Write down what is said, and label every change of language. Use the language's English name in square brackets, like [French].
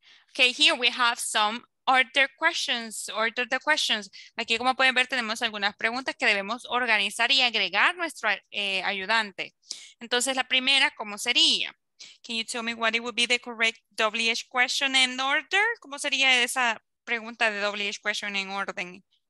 [English] Okay, here we have some order the questions. [Spanish] Aquí, como pueden ver, tenemos algunas preguntas que debemos organizar y agregar nuestro ayudante. Entonces, la primera, ¿cómo sería? [English] Can you tell me what it would be the correct WH question in order? [Spanish] ¿Cómo sería esa pregunta de WH question en orden?